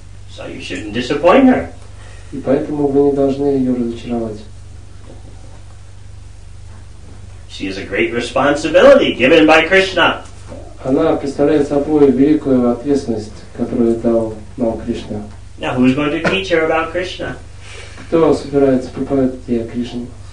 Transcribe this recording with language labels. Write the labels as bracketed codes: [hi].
[en] So you shouldn't disappoint her. [ru] И поэтому вы не должны ее разочаровать. [en] She is a great responsibility given by Krishna. [ru] Она представляет собой великую ответственность, которую дал нам Кришна. [en] Now who's going to teach her about Krishna? [ru] Кто собирается преподать ей о Кришне?